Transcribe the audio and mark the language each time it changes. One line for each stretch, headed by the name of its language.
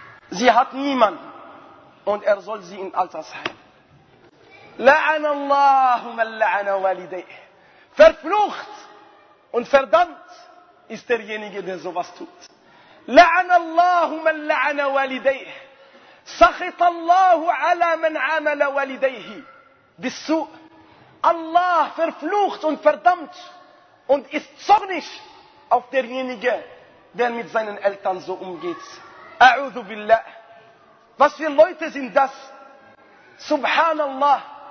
German: Sie hat niemanden und er soll sie in Altersheim.
Arabic: لعن الله من لعن والديه.
German: Verflucht und verdammt ist derjenige, der sowas tut.
Arabic: لعن الله من لعن والديه. سخط الله على من عمل والديه. بالسوء.
German: Allah verflucht und verdammt und ist zornig auf derjenige, der mit seinen Eltern so umgeht. أعوذ بالله. Was für Leute sind das? Subhanallah.